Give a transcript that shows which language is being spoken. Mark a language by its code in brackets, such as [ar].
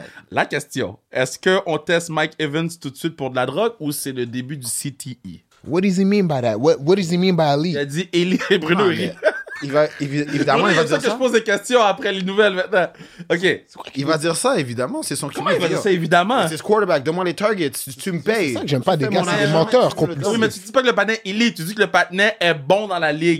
[fr] La question, est-ce qu'on teste Mike Evans tout de suite pour de la drogue ou c'est le début du CTE? [en] What does he mean by that? What does he mean by elite? [fr] Il a dit élite, Bruno. il va évidemment c'est il va dire que ça. Je pose des questions après les nouvelles maintenant. OK. Il va dire ça évidemment, c'est son QB. Il va dire ça évidemment. C'est quarterback, demande les targets, tu me payes. C'est ça que j'aime pas des gars, c'est des menteurs complices. Oui, mais tu dis pas que le patin est élite, tu dis que le patin est bon dans la ligue.